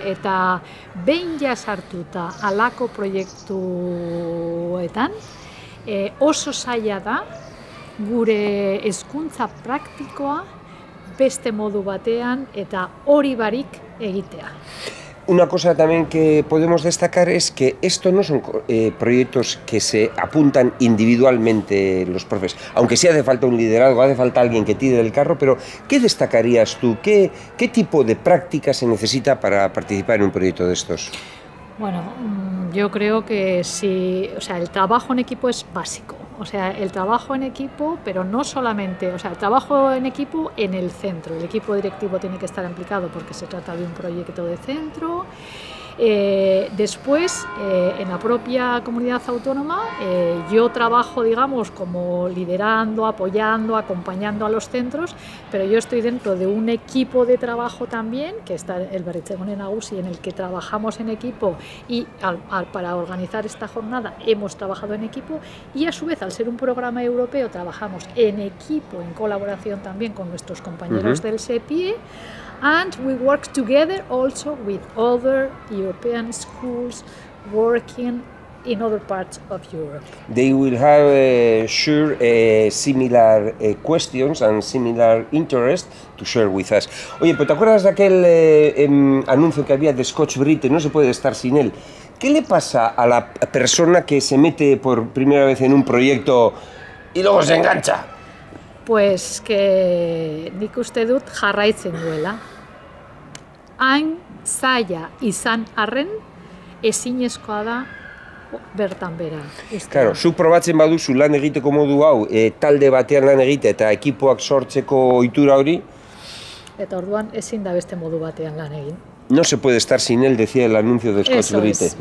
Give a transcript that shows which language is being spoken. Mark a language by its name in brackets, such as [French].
[Basque] Eta behin jasartuta halako proiektuetan, oso zaila da gure hezkuntza praktikoa beste modu batean eta hori barik egitea. [Spanish] Una cosa también que podemos destacar es que esto no son proyectos que se apuntan individualmente los profes, aunque sí hace falta un liderazgo, hace falta alguien que tire del carro, pero ¿qué destacarías tú? ¿Qué tipo de práctica se necesita para participar en un proyecto de estos? Bueno, yo creo que sí, o sea, el trabajo en equipo es básico. O sea, el trabajo en equipo, pero no solamente, o sea, el trabajo en equipo en el centro. El equipo directivo tiene que estar implicado porque se trata de un proyecto de centro. Después, en la propia comunidad autónoma, yo trabajo, digamos, como liderando, apoyando, acompañando a los centros, pero yo estoy dentro de un equipo de trabajo también, que está el Berritzegune Nagusi, en el que trabajamos en equipo y para organizar esta jornada hemos trabajado en equipo y a su vez, al ser un programa europeo, trabajamos en equipo, en colaboración también con nuestros compañeros uh-huh. del SEPIE. [English] And we work together also with other European schools working in other parts of Europe. They will have similar questions and similar interest to share with us. [Spanish] Oye, ¿te acuerdas de aquel anuncio que había de Scotch Brite? No se puede estar sin él. ¿Qué le pasa a la persona que se mete por primera vez en un proyecto y luego se engancha? Pues que [Basque] nik uste dut jarraitzen duela. Hain zaila izan arren, ezinezkoa da bertan bera. Claro, zu probatzen baduzu lan egiteko modu hau, talde batean lan egite eta ekipoak sortzeko ohitura hori. Eta orduan ezin da beste modu batean lan egin. [Spanish] No se puede estar sin él, decía el anuncio de Scotch Brite.